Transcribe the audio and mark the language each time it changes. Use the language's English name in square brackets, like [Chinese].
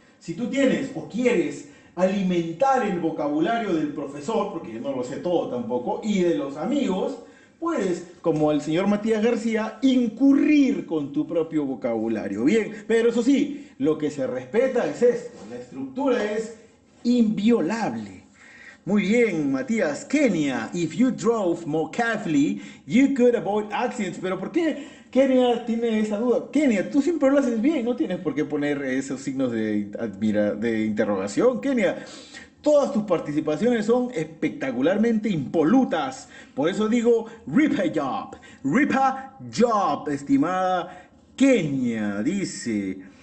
[Spanish] Si tú tienes o quieres alimentar el vocabulario del profesor, porque yo no lo sé todo tampoco, y de los amigos, puedes, como el señor Matías García, incurrir con tu propio vocabulario. Bien, pero eso sí, lo que se respeta es esto. La estructura es inviolable. Muy bien, Matías. [English] Kenia, if you drove more carefully, you could avoid accidents. [Spanish] Pero ¿por qué Kenia tiene esa duda? Kenia, tú siempre lo haces bien, no tienes por qué poner esos signos de interrogación. Kenia, todas tus participaciones son espectacularmente impolutas. Por eso digo, rip a job, estimada Kenia, dice.